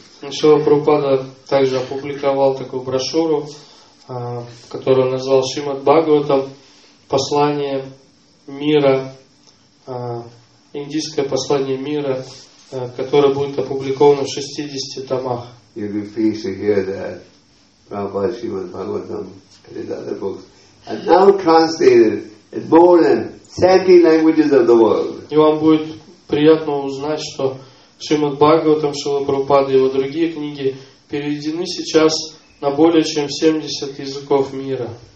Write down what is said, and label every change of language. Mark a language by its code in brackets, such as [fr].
[ru] Шрила Прабхупада также опубликовал такую брошюру, которую назвал Шримад Бхагаватам, послание мира, индийское послание мира, которое будет опубликовано в 60 томах. [en] You'd be pleased to hear that Prabhupada Shrimad Bhagavatam and his other books are now translated in more than 70 languages of the world. [ru] И вам будет приятно узнать, что Шримад Бхагаватам, Шрила Прабхупада и его другие книги переведены сейчас на более чем 70 языков мира.